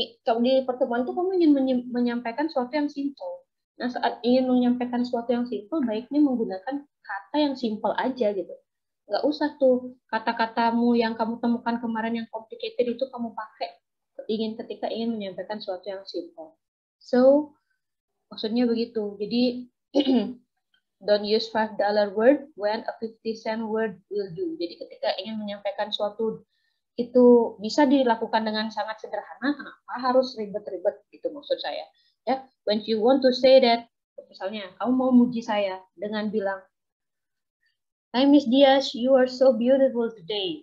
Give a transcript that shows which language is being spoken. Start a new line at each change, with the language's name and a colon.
Indonesian: Di pertemuan itu kamu ingin menyampaikan sesuatu yang simple. Nah, saat ingin menyampaikan sesuatu yang simple, baiknya menggunakan kata yang simple aja gitu. Nggak usah tuh kata-katamu yang kamu temukan kemarin yang complicated itu kamu pakai ingin ketika ingin menyampaikan sesuatu yang simple. So, maksudnya begitu.
English: Jadi, don't use $5 word when a 50 cent word will do.
Indonesian: Jadi, ketika ingin menyampaikan sesuatu itu bisa dilakukan dengan sangat sederhana, kenapa harus ribet-ribet gitu maksud saya.
English: Ya, when you want to say that,
Indonesian: misalnya kamu mau muji saya dengan bilang,
English: "Hi Miss Diaz, you are so beautiful today."